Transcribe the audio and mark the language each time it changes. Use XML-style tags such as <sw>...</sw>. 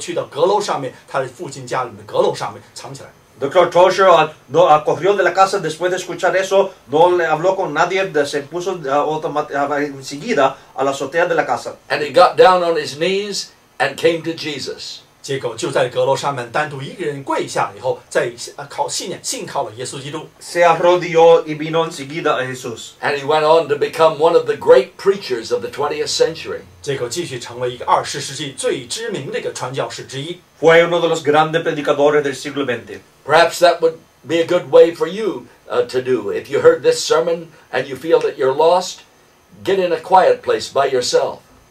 <zh>这个投手博士一路跑回家，路上没有跟任何人打招呼，跑到家以后去到阁楼上面，他的父亲家里的阁楼上面藏起来。</zh> <en>Dr.</en> <es>Tozer corrió de la casa después de escuchar eso, no le habló con nadie, se puso enseguida a la azotea de la casa.</es> <en>And he got down on his knees and came to Jesus.</en> <zh>结果就在阁楼上面单独一个人跪下以后，再信靠了耶稣基督。</zh> <es>Se arrodilló y vino enseguida a Jesús.</es> <en>And he went on to become one of the great preachers of the 20th century.</en> <zh>结果继续成为一个20世纪最知名的一个传教士之一。</zh> <es>Fue uno de los grandes predicadores del siglo XX.</es> <en>Perhaps that would be a good way for you to do. If you heard this sermon and you feel that you're lost, get in a quiet place by yourself.</en>